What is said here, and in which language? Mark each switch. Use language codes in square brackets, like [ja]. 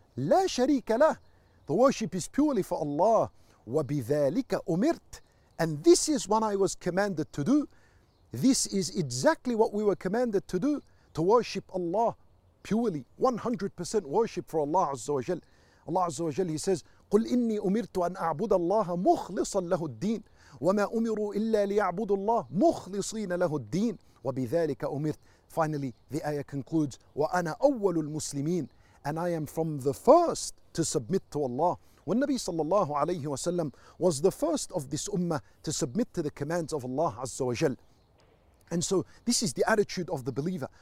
[ar] La sharika lah. [en] The worship is purely for Allah. [ar] وَبِذَلِكَ أُمِرْتُ. [en] And this is what I was commanded to do. This is exactly what we were commanded to do, to worship Allah purely, 100% worship for Allah Azza wa Jal. Allah Azza wa Jal, he says, [ar] قُلْ إِنِّي أُمِرْتُ أَنْ أَعْبُدَ اللَّهَ مُخْلِصًا لَهُ الدِّينَ وَمَا أُمِرُوا إِلَّا لِيَعْبُدُ اللَّهِ مُخْلِصِينَ لَهُ الدِّينَ وَبِذَلِكَ أُمِرْتُ. [en] Finally, the ayah concludes, [ar] وَأَنَا أَوَّلُ الْمُسْلِمِينَ. [en] And I am from the first to submit to Allah. When Nabi sallallahu alayhi wa sallam was the first of this ummah to submit to the commands of Allah Azza wa Jal. And so this is the attitude of the believer.